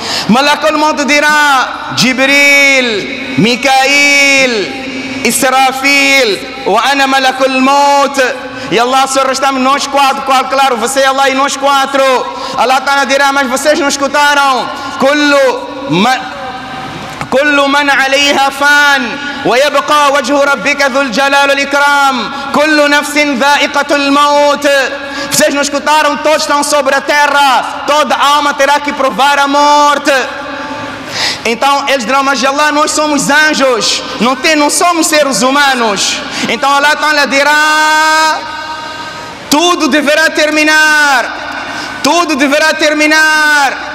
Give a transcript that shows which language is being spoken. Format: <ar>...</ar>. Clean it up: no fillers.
<pt>Malakul Maut dirá, Jibril, Mikail, Israfil,</pt> <ar>Wa Ana Malakul Maut.</ar> <pt>E Allah, Senhor, restamos nós quatro, qual, claro, você e Allah e nós quatro. Allah Ta'ala dirá, mas vocês não escutaram?</pt> <ar>Kullu Man. كل من عليها فان ويبقى وجه ربك ذو الجلال والإكرام كل نفس ذائقة الموت.</ar> <pt>Vocês não escutaram? Todos estão sobre a terra, toda alma terá que provar a morte. Então eles dirão, mas Allah, nós somos anjos, não somos seres humanos. Então Allah Ta'ala dirá, tudo deverá terminar, tudo deverá terminar.</pt>